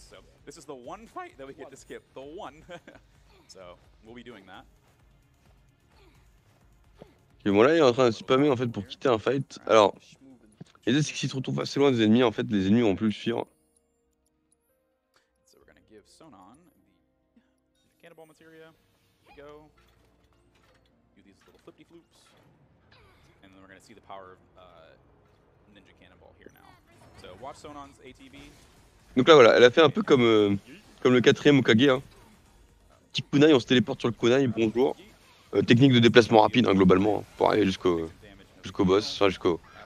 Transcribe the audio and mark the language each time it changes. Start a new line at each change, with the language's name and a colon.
English: So this is the one fight that we get to skip, the one. So we'll be doing that.
French: Et bon là il est en train de spammer en fait pour quitter un fight. Alors et c'est que s'il se retrouve assez loin des ennemis, en fait, les ennemis vont plus le suivre.
English: So we're gonna give Sonon the cannonball materia. Here we go. Do these little flippy floops. And then we're gonna see the power of Ninja Cannonball here now. So watch Sonon's ATB.
French: Donc là voilà, elle a fait un peu comme, comme le quatrième Okage. Hein. Petit kunai, on se téléporte sur le kunai, bonjour. Technique de déplacement rapide hein, globalement, pour aller jusqu'au boss, enfin jusqu'au.